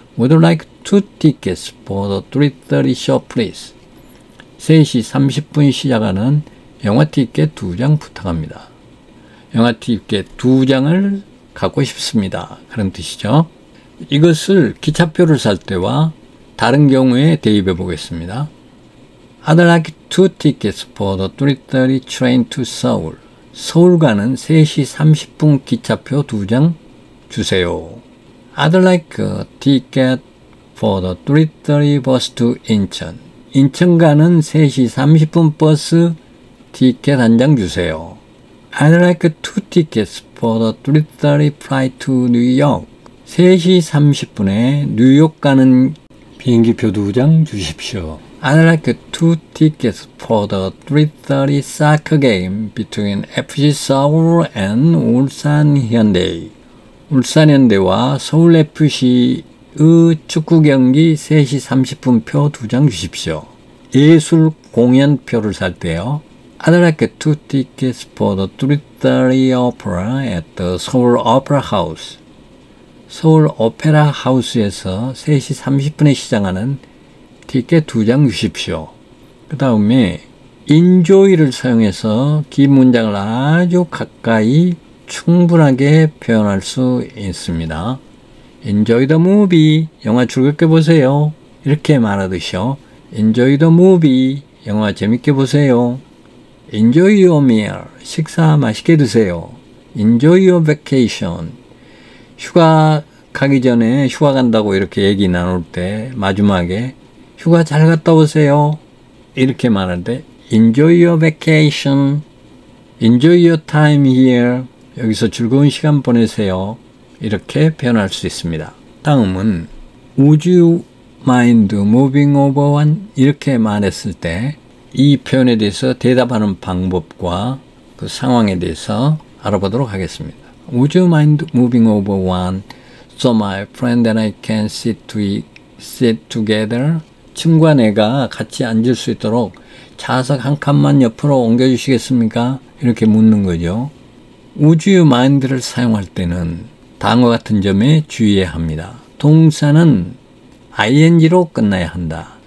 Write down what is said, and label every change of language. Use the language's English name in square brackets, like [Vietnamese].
[English] Would like two tickets for the 3:30 show, please. [Korean] 3시 30분 시작하는 영화 티켓 두 장 부탁합니다. 영화 티켓 두 장을 갖고 싶습니다. 그런 뜻이죠. 이것을 기차표를 살 때와 다른 경우에 대입해 보겠습니다. [English] I'd like two tickets for the 3:30 train to Seoul. [Korean] 서울 가는 3시 30분 기차표 두 장 주세요. [English] I'd like a ticket for the 3:30 bus to Incheon. [Korean] 인천 가는 3시 30분 버스 티켓 한 장 주세요. [English] I'd like two tickets for the 3:30 flight to New York. [Korean] 3시 30분에 뉴욕 가는 비행기표 두 장 주십시오. [English] I'd like two tickets for the 3:30 soccer game between FC Seoul and Ulsan Hyundai. [Korean] 울산 현대와 서울 FC의 축구 경기 3시 30분 표 두 장 주십시오. 예술 공연표를 살 때요. [English] I'd like two tickets for the 3:30 opera at the Seoul Opera House. [Korean] 서울 오페라 하우스에서 3시 30분에 시작하는 티켓 두 장 주십시오. 그 다음에 enjoy를 사용해서 긴 문장을 아주 가까이 충분하게 표현할 수 있습니다. [English] Enjoy the movie. [Korean] 영화 즐겁게 보세요. 이렇게 말하듯이요. [English] Enjoy the movie. [Korean] 영화 재밌게 보세요. [English] Enjoy your meal. [Korean] 식사 맛있게 드세요. [English] Enjoy your vacation. [Korean] 휴가 가기 전에 휴가 간다고 이렇게 얘기 나눌 때 마지막에 휴가 잘 갔다 오세요. 이렇게 말할 때 [English] Enjoy your vacation. Enjoy your time here. [Korean] 여기서 즐거운 시간 보내세요. 이렇게 표현할 수 있습니다. 다음은 [English] Would you mind moving over one? [Korean] 이렇게 말했을 때 이 표현에 대해서 대답하는 방법과 그 상황에 대해서 알아보도록 하겠습니다. [English] Would you mind moving over one so my friend and I can sit together? [Korean] 친구와 내가 같이 앉을 수 있도록 좌석 한 칸만 옆으로 옮겨주시겠습니까? 이렇게 묻는 거죠. 우주의 마인드를 사용할 때는 다음과 같은 점에 주의해야 합니다. 동사는 ing로 끝나야 한다.